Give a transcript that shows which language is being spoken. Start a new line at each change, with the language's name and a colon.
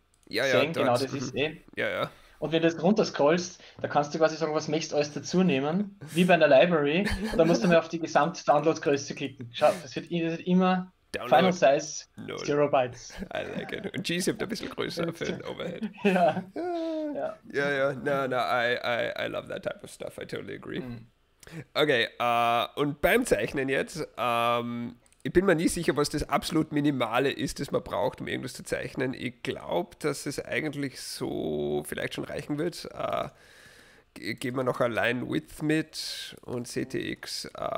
German: Ja, genau, das ist eh. Ja, ja. Und wenn du jetzt runterscrollst, da kannst du quasi sagen, was möchtest du alles dazu nehmen, wie bei einer Library. Und dann musst du mal auf die Gesamt-Download-Größe klicken. Schau, das wird immer Download Final Size 0 Bytes.
English: I like it.
German: Und GZIP ein bisschen größer für den Overhead. Ja.
English: I love that type of stuff. I totally agree.
German: Okay, und beim Zeichnen jetzt, ich bin mir nie sicher, was das absolut Minimale ist, das man braucht, um irgendwas zu zeichnen. Ich glaube, dass es eigentlich so vielleicht schon reichen wird. Geben wir noch allein Width mit und CTX